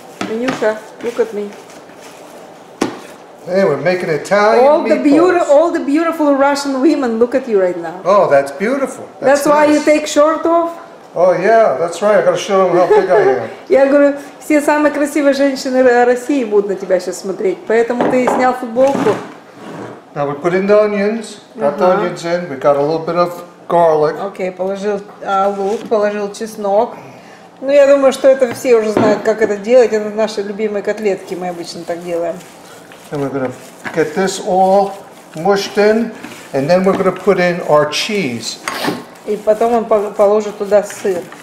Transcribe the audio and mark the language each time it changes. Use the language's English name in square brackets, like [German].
[English] Menusha, look at me. Hey, we're making Italian meatballs. All the beautiful Russian women look at you right now. Oh, that's beautiful. That's why you take short off? Oh, yeah, that's right. I got to show them how big I am. [Russian] Я говорю, все самые красивые женщины России будут на тебя сейчас смотреть. Поэтому ты снял футболку. [English] Now we put in the onions. Got the onions in. We got a little bit of garlic. [Russian] Okay, положил лук, положил чеснок. Ну, я думаю, что это все уже знают, как это делать. Это наши любимые котлетки, мы обычно так делаем. [English] And we're going to get this all mushed in, and then we're going to put in our cheese. [Russian] И потом он положит туда сыр.